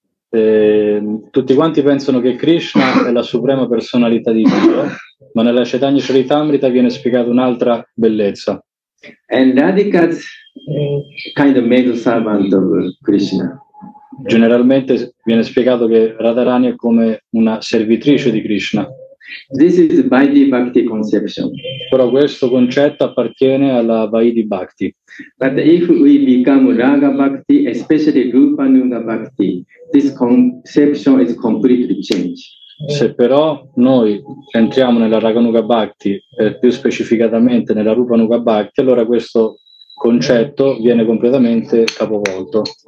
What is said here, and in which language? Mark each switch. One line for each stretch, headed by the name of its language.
Italian: Tutti quanti pensano che Krishna è la suprema personalità di Dio, ma nella Chaitanya Charitamrita viene spiegata un'altra bellezza.
English: And Radhika's kind of maid servant of Krishna.
Italian: Generalmente viene spiegato che Radharani è come una servitrice di Krishna.
English: This is Vaidhi Bhakti conception.
Italian: Però questo concetto appartiene alla Vaidhi Bhakti.
English: But if we become Raga Bhakti, especially Rupa Nuga Bhakti, this conception is completely changed.
Italian: Se però noi entriamo nella Raga Nuga Bhakti, più specificatamente nella Rupa Nuga Bhakti, allora questo concetto viene completamente capovolto.